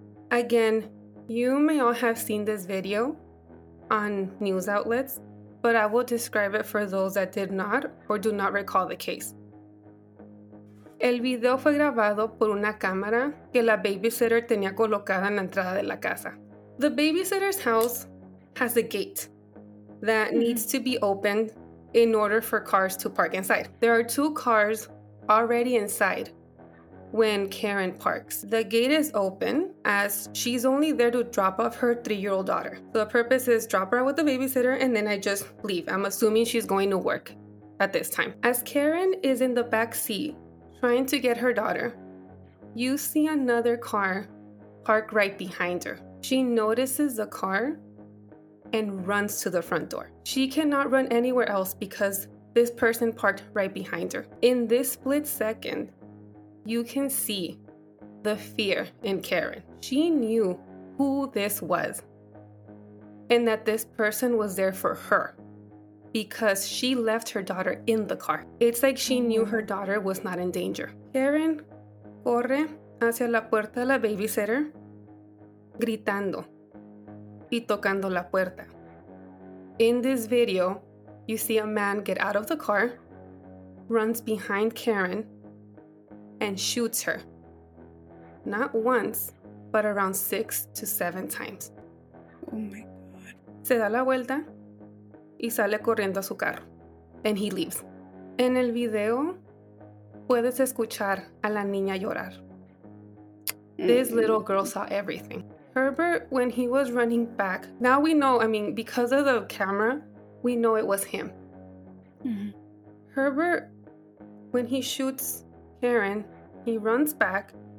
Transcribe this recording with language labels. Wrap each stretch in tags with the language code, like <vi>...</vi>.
<en>Again, you may all have seen this video on news outlets, but I will describe it for those that did not or do not recall the case.</en> <es>El video fue grabado por una cámara que la babysitter tenía colocada en la entrada de la casa.</es> <en>The babysitter's house has a gate that needs to be opened in order for cars to park inside. There are 2 cars already inside when Karen parks. The gate is open as she's only there to drop off her 3-year-old daughter. The purpose is drop her out with the babysitter and then I just leave. I'm assuming she's going to work at this time. As Karen is in the back seat trying to get her daughter, you see another car park right behind her. She notices the car and runs to the front door. She cannot run anywhere else because this person parked right behind her. In this split second, you can see the fear in Karen. She knew who this was and that this person was there for her because she left her daughter in the car. It's like she knew her daughter was not in danger.</en> <es>Karen corre hacia la puerta de la babysitter, gritando y tocando la puerta.</es> <en>In this video, you see a man get out of the car, runs behind Karen, and shoots her, not once, but around 6 to 7 times. Oh my God.</en> <es>Se da la vuelta y sale corriendo a su carro.</es> <en>And he leaves.</en> <es>En el video, puedes escuchar a la niña llorar.</es> <en>This little girl saw everything. Herbert, when he was running back, now we know, I mean, because of the camera, we know it was him. Mm-hmm. Herbert, when he shoots Karen, he runs back.</en>